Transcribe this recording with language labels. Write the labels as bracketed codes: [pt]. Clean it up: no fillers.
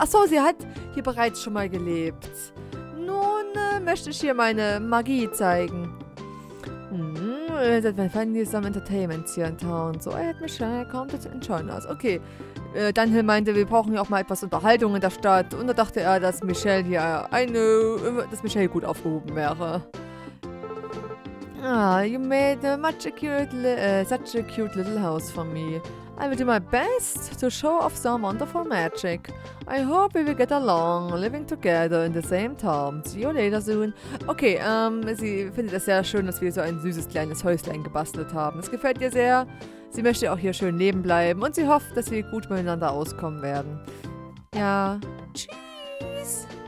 [de] Achso, sie hat hier bereits schon mal gelebt. Nun möchte ich hier meine Magie zeigen. Wir finden hier some Entertainment hier in Town. So, er hat mich schon gekommen, [en] to join us. [de] Okay. Dunhill meinte, wir brauchen hier auch mal etwas Unterhaltung in der Stadt. Und da dachte er, dass Michelle hier dass Michelle gut aufgehoben wäre. [en] Ah, you made such a cute little house for me. I will do my best to show off some wonderful magic. I hope we will get along, living together in the same town. See you later soon. [de] Okay, sie findet es sehr schön, dass wir so ein süßes kleines Häuslein gebastelt haben. Es gefällt ihr sehr. Sie möchte auch hier schön leben bleiben und sie hofft, dass wir gut miteinander auskommen werden. Ja, tschüss.